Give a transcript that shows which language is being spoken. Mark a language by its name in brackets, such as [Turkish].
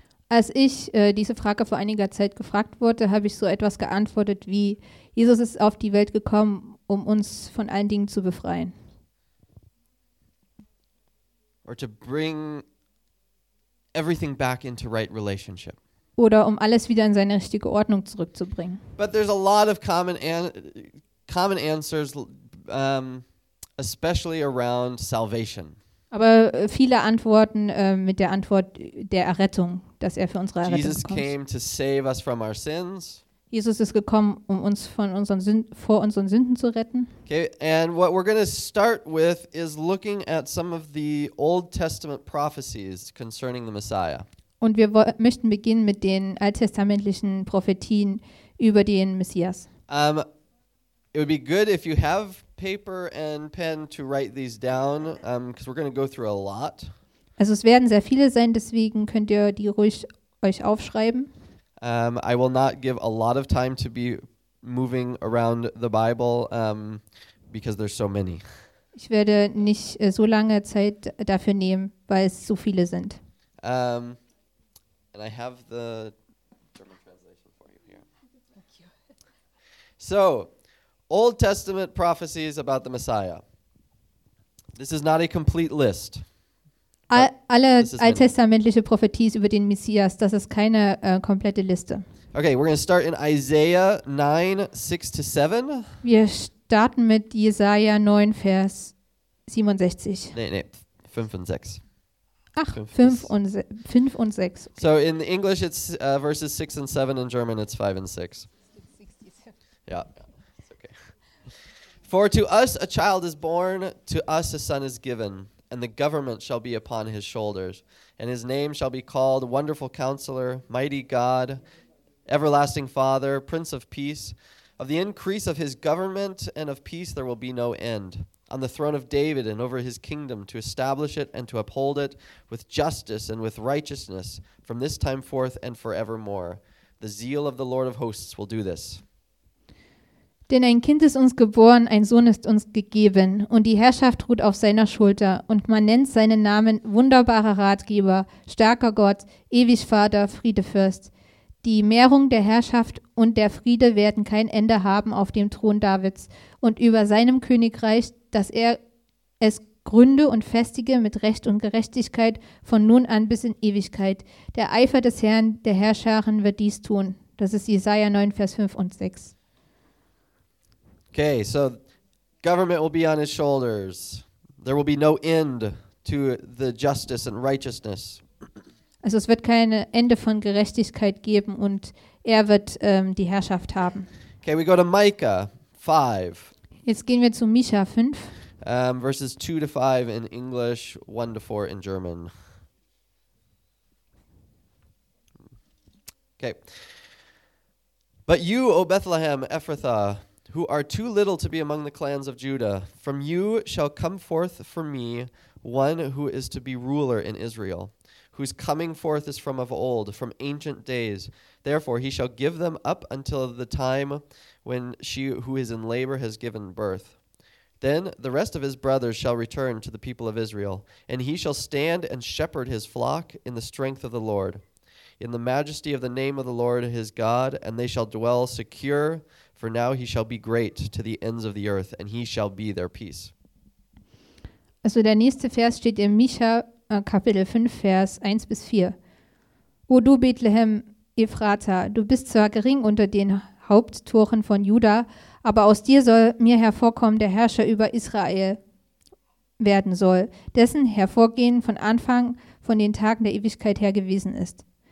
[German] Als ich diese Frage vor einiger Zeit gefragt wurde, habe ich so etwas geantwortet wie Jesus ist auf die Welt gekommen, um uns von allen Dingen zu befreien. [English] Or to bring everything back into right relationship. [German] Oder um alles wieder in seine richtige Ordnung zurückzubringen. [English] But there's a lot of common answers, especially around salvation. [German] Aber viele Antworten mit der Antwort der Errettung, dass er für unsere Errettung kommt. [English] Jesus came to save us from our sins. [German] Jesus ist gekommen, um uns von unseren vor unseren Sünden zu retten. [English] Okay, and what we're going to start with is looking at some of the Old Testament prophecies concerning the Messiah. [German] Und wir möchten beginnen mit den alttestamentlichen Prophetien über den Messias. [English] It would be good if you have paper and pen to write these down, because we're going to go through a lot. [German] Also es werden sehr viele sein, deswegen könnt ihr die ruhig euch aufschreiben. [English] I will not give a lot of time to be moving around the Bible because there's so many. Ich werde nicht so lange Zeit dafür nehmen, weil es so viele sind. And I have the German translation for you here. Thank you. So, Old Testament prophecies about the Messiah. This is not a complete list. [German] Alle alttestamentliche Prophetien über den Messias, das ist keine komplette Liste. [English] Okay, we're going to start in Isaiah 9, 6-7. [German] Wir starten mit Jesaja 9, Vers 67. Nee, 5 und 6. Ach, 5 und 6. Okay. [English] So in English it's verses 6 and 7, in German it's 5 and 6. Yeah. It's okay. For to us a child is born, to us a son is given. And the government shall be upon his shoulders, and his name shall be called Wonderful Counselor, Mighty God, Everlasting Father, Prince of Peace. Of the increase of his government and of peace there will be no end. On the throne of David and over his kingdom, to establish it and to uphold it with justice and with righteousness from this time forth and forevermore. The zeal of the Lord of hosts will do this. [German] Denn ein Kind ist uns geboren, ein Sohn ist uns gegeben, und die Herrschaft ruht auf seiner Schulter, und man nennt seinen Namen wunderbarer Ratgeber, starker Gott, ewig Vater, Friedefürst. Die Mehrung der Herrschaft und der Friede werden kein Ende haben auf dem Thron Davids und über seinem Königreich, dass er es gründe und festige mit Recht und Gerechtigkeit von nun an bis in Ewigkeit. Der Eifer des Herrn, der Herrscharen, wird dies tun. Das ist Jesaja 9, Vers 5 und 6. [English] Okay, so government will be on his shoulders. There will be no end to the justice and righteousness. [German] Also es wird kein Ende von Gerechtigkeit geben und er wird die Herrschaft haben. [English] Okay, we go to Micah 5. [German] Jetzt gehen wir zu Micha 5. [English] Verses 2 to 5 in English, 1 to 4 in German. Okay. But you, O Bethlehem Ephrathah, who are too little to be among the clans of Judah, from you shall come forth for me one who is to be ruler in Israel, whose coming forth is from of old, from ancient days. Therefore he shall give them up until the time when she who is in labor has given birth. Then the rest of his brothers shall return to the people of Israel, and he shall stand and shepherd his flock in the strength of the Lord, in the majesty of the name of the Lord his God, and they shall dwell secure, for now he shall be great to the ends of the earth, and he shall be their peace. [German] Also der nächste Vers steht in Micha Kapitel 5, Vers 1 bis 4. O du Bethlehem Ephrata, du bist zwar gering unter den Haupttoren von Juda, aber aus dir soll mir hervorkommen, der Herrscher über Israel werden soll, dessen Hervorgehen von Anfang von den Tagen der Ewigkeit her gewesen ist.